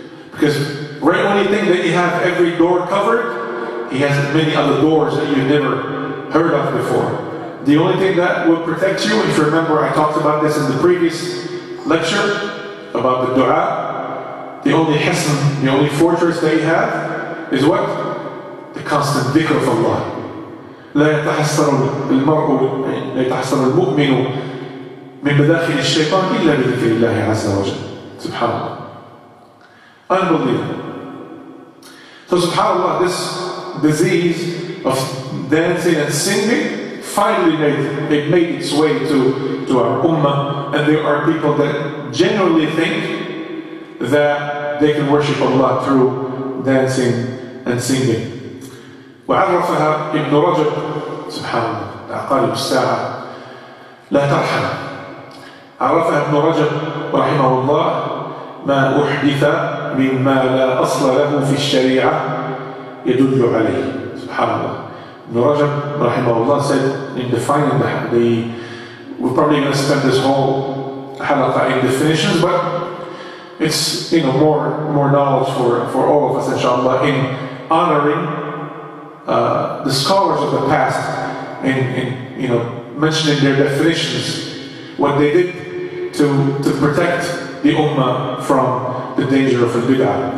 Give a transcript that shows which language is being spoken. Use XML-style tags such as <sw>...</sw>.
<en>Because right when you think that you have every door covered, he has many other doors that you never heard of before. The only thing that will protect you, if you remember I talked about this in the previous lecture about the dua, the only hisn, the only fortress that you have is what? The constant dhikr of Allah.</en> <ar>لا يتحصر المرء لا يتحصر المؤمن من بداخل الشيطان إلا بذكر الله عز وجل.</ar> <en>SubhanAllah. Unbelievable. So subhanAllah, this disease of dancing and singing finally made its way to our ummah, and there are people that generally think that they can worship Allah through dancing and singing.</en> <ar>وعرفها ابن رجب سبحان الله عقارب الساعة لا ترحم. عرفها ابن رجب رحمه الله ما أحدث مما لا أصل له في الشريعة يدل عليه سبحان الله.</ar> <en>ابن رجب رحمه الله said in defining we're probably going to spend this whole حلقة in definitions, but it's more knowledge for all of us inshallah in honoring the scholars of the past in mentioning their definitions, what they did to protect the ummah from the danger of al-bid'ah.</en>